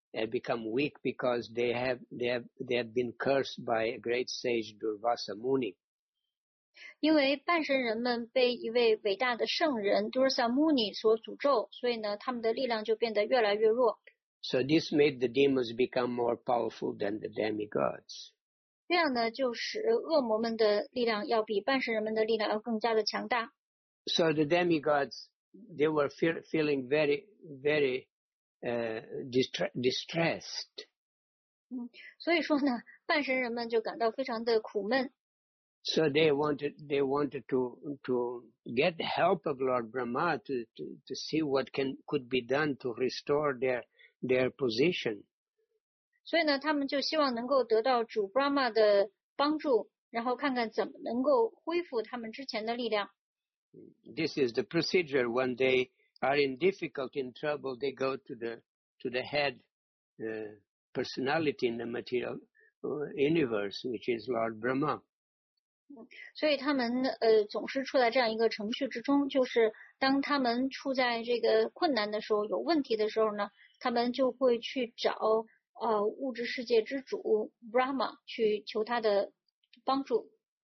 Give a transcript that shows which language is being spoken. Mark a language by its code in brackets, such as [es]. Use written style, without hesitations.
[en] become weak because they have been cursed by a great sage Durvasa Muni. [zh] 因为半神人们被一位伟大的圣人 Durvasa Muni 所诅咒，所以呢，他们的力量就变得越来越弱。 [en] So this made the demons become more powerful than the demigods. [zh] 这样呢，就使恶魔们的力量要比半神人们的力量要更加的强大。 [en] So the demigods, they were feeling very, very, distressed. [zh] 所以说呢，半神人们就感到非常的苦闷。 [en] So they wanted to get the help of Lord Brahma to see what could be done to restore their position. [zh] 所以呢，他们就希望能够得到主 Brahma 的帮助，然后看看怎么能够恢复他们之前的力量。 [en] This is the procedure when they are in difficulty, in trouble, they go to the head personality in the material universe, which is Lord Brahma. [zh] 所以他们总是处在这样一个程序之中，就是当他们处在这个困难的时候，有问题的时候呢，他们就会去找物质世界之主 Brahma 去求他的帮助。